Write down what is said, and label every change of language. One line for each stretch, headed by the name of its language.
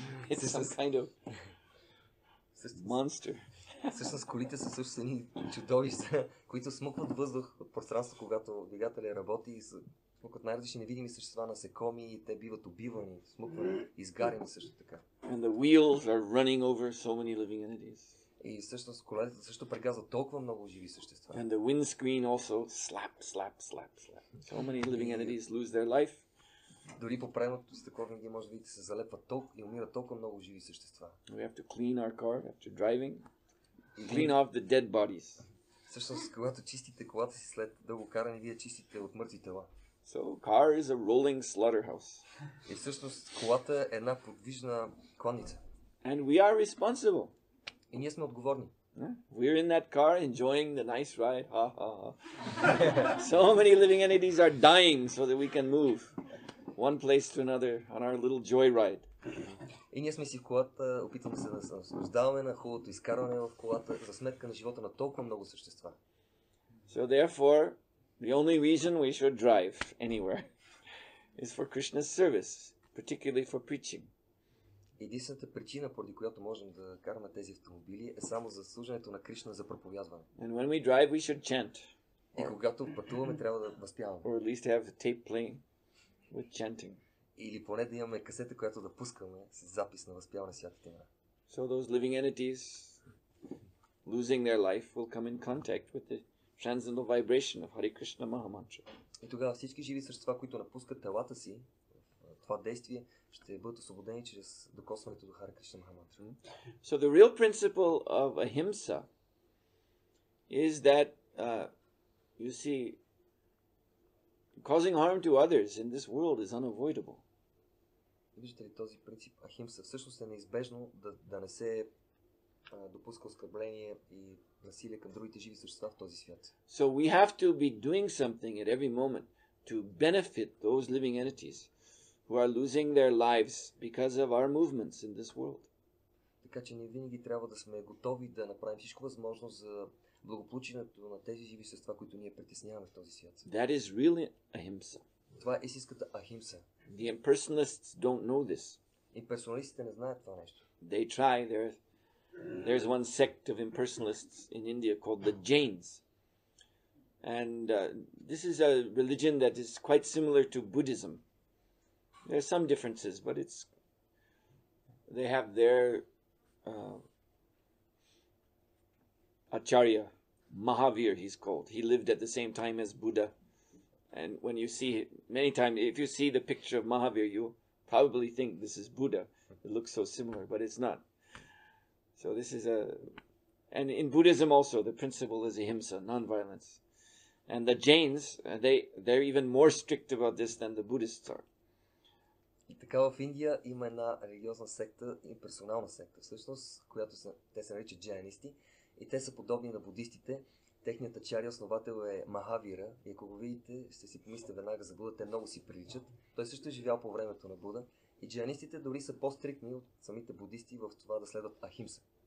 English: It's some kind of monster.
Bulgarian: Всъщност колите са също едни чудовища, които смукват въздух от пространството, когато двигателя работи и са смукват най-различни невидими същества, насекоми и те биват убивани, смуквани, изгарени също така.
English: And the wheels are running over so many living entities.
Bulgarian: И всъщност колелите също прегазват толкова много живи същества.
English: And the windscreen also slap, slap, slap, slap. So many living entities lose their life.
Bulgarian: Дори по преното стъкло винаги може да видите се залепва толкова и умира толкова много живи същества.
English: We have to clean our car after driving. Clean off the dead bodies.
Bulgarian: Всъщност, когато чистите колата си след дълго каране, вие чистите от мъртви тела.
English: So, car is a rolling slaughterhouse.
Bulgarian: И всъщност, колата е една подвижна кланица.
English: And we are responsible.
Bulgarian: И ние сме отговорни.
English: Yeah? We're in that car enjoying the nice ride. Ha, ha, ha. So many living entities are dying so that we can move one place to another on our little joy ride.
Bulgarian: И ние сме си в колата, опитваме се да се наслаждаваме на хубавото изкарване в колата за сметка на живота на толкова много същества.
English: So therefore, the only reason we should drive anywhere is for Krishna's service, particularly for preaching.
Bulgarian: Единствената причина, поради която можем да караме тези автомобили, е само за служенето на Кришна за проповядване.
English: And when we drive, we should chant.
Bulgarian: И когато пътуваме, трябва да възпяваме.
English: Or at least have a tape playing with chanting.
Bulgarian: Или поне да имаме касета, която да пускаме с запис на възпяване святите имена.
English: So those living entities losing their life will come in contact with the transcendental vibration of Hare Krishna Mahamantra.
Bulgarian: И тогава всички живи същества, които напускат телата си, това действие ще бъдат освободени чрез докосването до Хари Кришна Махамантра.
English: So the real principle of ahimsa is that you see causing harm to others in this world is unavoidable.
Bulgarian: Виждате ли, този принцип ахимса всъщност е неизбежно да не се допуска оскърбление и насилие към другите живи същества в този свят.
English: So we have to be doing something at every moment to benefit those living entities who are losing their lives because of our movements in this world.
Bulgarian: Така че ние винаги трябва да сме готови да направим всичко възможно за благополучието на тези живи същества, които ние притесняваме в този свят.
English: That is really ahimsa.
Bulgarian: Това е истинската ахимса.
English: The impersonalists don't know this.
Bulgarian: Имперсоналистите не знаят това нещо.
English: They try. There's one sect of impersonalists in India called the Jains. And this is a religion that is quite similar to Buddhism. There are some differences, but it's they have their Acharya, Mahavir he's called. He lived at the same time as Buddha. And when you see many times, if you see the picture of Mahavir, you probably think this is Buddha. It looks so similar, but it's not. So this is and in Buddhism also, the principle is ahimsa, nonviolence. And the Jains, they're even more strict about this than the Buddhists are.
Bulgarian: И така в Индия има една религиозна секта, имперсонална секта всъщност, която те се наричат джайнисти и те са подобни на будистите. Техният ачарья основател е Махавира и ако го видите, ще си помислите веднага за Буда, те много си приличат. Той също е живял по времето на Буда и джайнистите дори са по-стриктни от самите будисти в това да следват ахимса.